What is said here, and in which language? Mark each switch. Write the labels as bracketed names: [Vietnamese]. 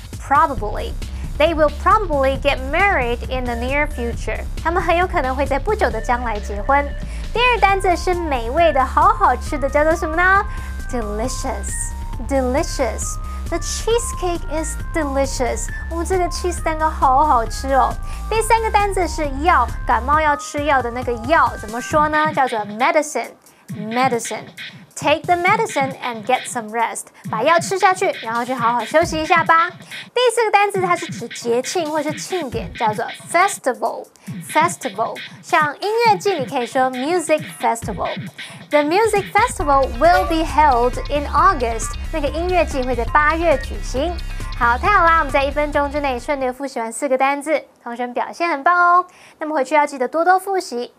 [English] Probably, they will probably get married in the near future。 [Chinese] 他们很有可能会在不久的将来结婚。第二个单字是美味的、好好吃的，叫做什么呢 ？ [English] Delicious, delicious。 The cheesecake is delicious. [Chinese] 哦，这个 cheese 蛋糕好好吃哦。第三个单字是药，感冒要吃药的那个药，怎么说呢？叫做 [English] medicine. Medicine. Take the medicine and get some rest. [Chinese] 把药吃下去，然后去好好休息一下吧。第四个单字它是指节庆或是庆典，叫做 festival. Festival. 像音乐季，你可以说 music festival. [English] The music festival will be held in August. [Chinese] 那个音乐季会在八月举行。好，太好啦！我们在一分钟之内顺利复习完四个单字，同学们表现很棒哦。那么回去要记得多多复习。